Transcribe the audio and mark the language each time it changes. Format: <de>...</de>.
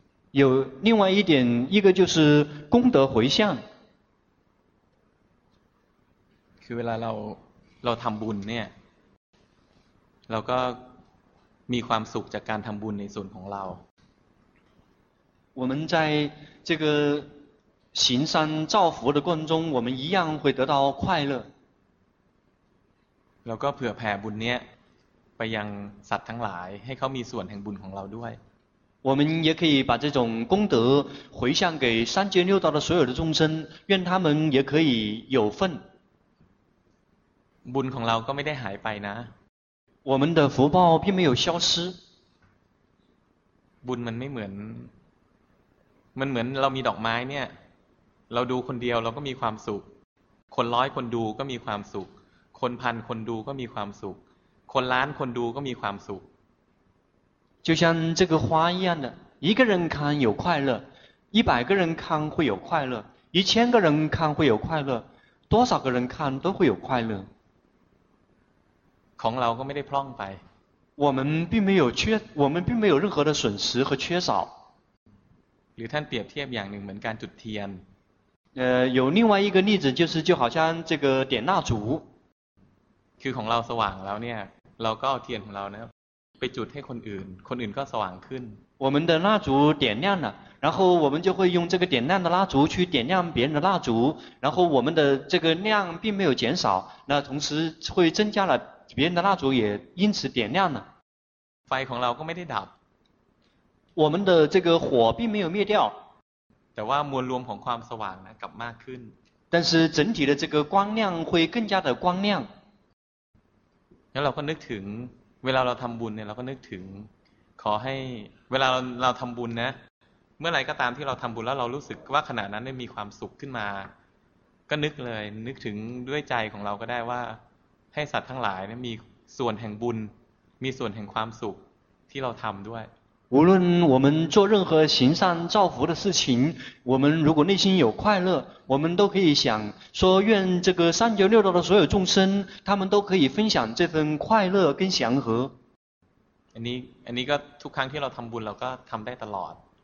<zh>有另外一点，一个就是功德回向。</zh> <th>คือเวลาเราทำบุญเนี่ย，เราก็มีความสุขจากการทำบุญในส่วนของเรา。</th> <zh>我们在这个行善造福的过程中，我们一样会得到快乐。</zh> <th>然后，เผื่อแผ่บุญเนี้ยไปยังสัตว์ทั้งหลายให้เขามีส่วนแห่งบุญของเราด้วย。</th> <zh>我们也可以把这种功德回向给三界六道的所有的众生，愿他们也可以有份。</zh> <th>บุญของเราก็ไม่ได้หายไปนะ。</th> <zh>我们的福报并没有消失。</zh> <th>บุญมันเหมือนเรามีดอกไม้เนี่ยเราดูคนเดียวเราก็มีความสุขคนร้อยคนดูก็มีความสุขคนพันคนดูก็มีความสุขคนล้านคนดูก็มีความสุข</th> <zh>就像这个花一样的一个人看有快乐一百个人看会有快乐一千个人看会有快乐多少个人看都会有快乐</zh> <th>ของเราก็ไม่ได้พร่องไป</th> <zh>我们并没有任何的损失和缺少</zh> <th>หรือท่านเปรียบเทียบอย่างหนึ่งเหมือนการจุดเทียน</th> <zh>有另外一个例子就是就好像这个点蜡烛</zh> <th>คือของเราสว่างแล้วเนี่ยเราก็เอาเทียนของเรานะไปจุดให้คนอื่นก็สว่างขึ้น</th> <zh>我们的蜡烛点亮了然后我们就会用这个点亮的蜡烛去点亮别人的蜡烛然后我们的这个量并没有减少那同时会增加了别人的蜡烛也因此点亮了</zh> <th>ไฟของเราก็ไม่ได้ดับ</th> <zh>我们的这个火并没有灭掉</zh> <th>แต่ว่ามวลรวมของความสว่างนะกลับมากขึ้น</th> <zh>但是整体的这个光亮会更加的光亮</zh> <th>แล้วเราก็นึกถึงเวลาเราทำบุญเนี่ยเราก็นึกถึงขอให้เวลาเราทำบุญนะเมื่อไหร่ก็ตามที่เราทำบุญแล้วเรารู้สึกว่าขณะนั้นได้มีความสุขขึ้นมาก็นึกเลยนึกถึงด้วยใจของเราก็ได้ว่าให้สัตว์ทั้งหลายเนี่ยมีส่วนแห่งบุญมีส่วนแห่งความสุขที่เราทำด้วย</th> <zh>无论我们做任何行善造福的事情，我们如果内心有快乐，我们都可以想说愿这个三九六道的所有众生，他们都可以分享这份快乐跟祥和。</zh> <th>อันนี้ก็ทุกครั้งที่เราทำบุญเราก็ทำได้ตลอด。</th>